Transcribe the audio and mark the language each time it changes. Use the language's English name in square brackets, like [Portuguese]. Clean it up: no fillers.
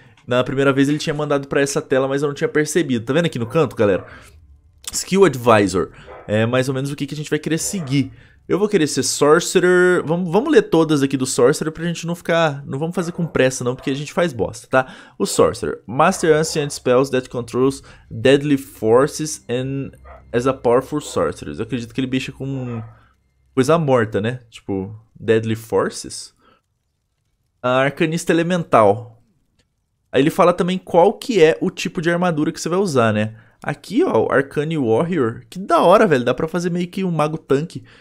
[Portuguese] Na primeira vez ele tinha mandado para essa tela, mas eu não tinha percebido. Tá vendo aqui no canto, galera? Skill Advisor. É mais ou menos o que a gente vai querer seguir. Eu vou querer ser Sorcerer. Vamos ler todas aqui do Sorcerer pra gente não ficar. Não vamos fazer com pressa, não, porque a gente faz bosta, tá? O Sorcerer. [English] Master Ancient Spells that controls deadly forces and as a powerful sorcerer. [Portuguese] Eu acredito que ele bicha com coisa morta, né? Tipo, [English] deadly forces. [Portuguese] A Arcanista Elemental. Aí ele fala também qual que é o tipo de armadura que você vai usar, né? Aqui, ó, Arcane Warrior. Que da hora, velho. Dá pra fazer meio que um mago tanque.